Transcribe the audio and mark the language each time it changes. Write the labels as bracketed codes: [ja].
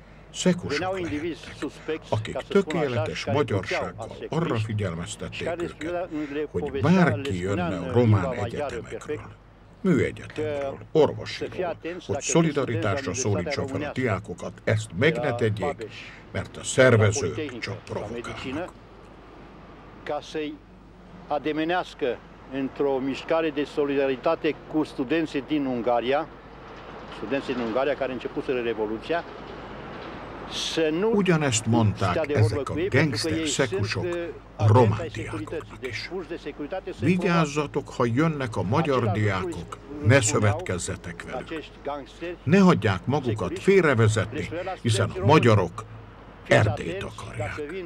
[hu] Szekusok lehettek, akik tökéletes magyarsággal arra figyelmeztették őket, hogy bárki jönne a román egyetemekről. Műegyetemről, orvosiról, hogy szolidaritásra szólítsa fel a diákokat, ezt meg ne tegyék, mert a szervezők csak provokálnak. [ro] Ca să-i ademenească într-o mișcare de solidaritate cu studenții din Ungaria, care începuseră revoluția. [hu] Ugyanezt mondták ezek a gengszter szekusok a román diákoknak is. Vigyázzatok, ha jönnek a magyar diákok, ne szövetkezzetek velük. Ne hagyják magukat félrevezetni, hiszen a magyarok Erdélyt akarják.